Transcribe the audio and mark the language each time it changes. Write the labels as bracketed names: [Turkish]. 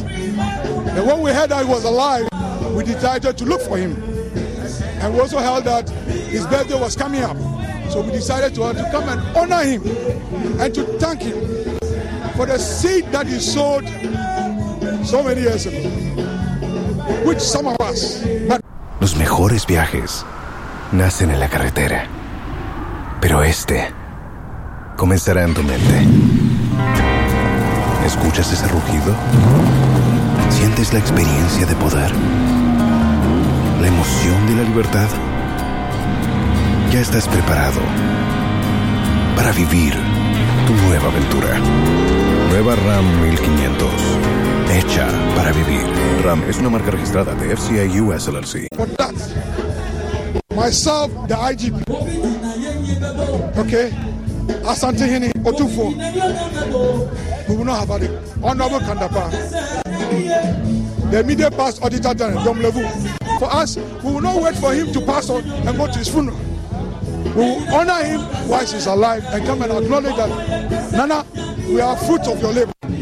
[English] And when we heard that he was alive, we decided to look for him. And we also heard that his birthday was coming up. So we decided to come and honor him and to thank him for the seed that he sowed so many years ago, which some of us. [Spanish] Los mejores viajes nacen en la carretera, pero este comenzará en tu mente. ¿Escuchas ese rugido? ¿Sientes la experiencia de poder? ¿La emoción de la libertad? Ya estás preparado para vivir tu nueva aventura. Nueva Ram 1500. Hecha para vivir. Ram es una marca registrada de FCA US LLC. [English] For that, myself, the IGP, okay, Asante Hini Otufo, we will not have had it. Honorable Kandapa, the media past auditor general, Dom Levu. For us, we will not wait for him to pass on and go to his funeral. We will honor him while he's alive and come and acknowledge that, Nana, we are fruit of your labor.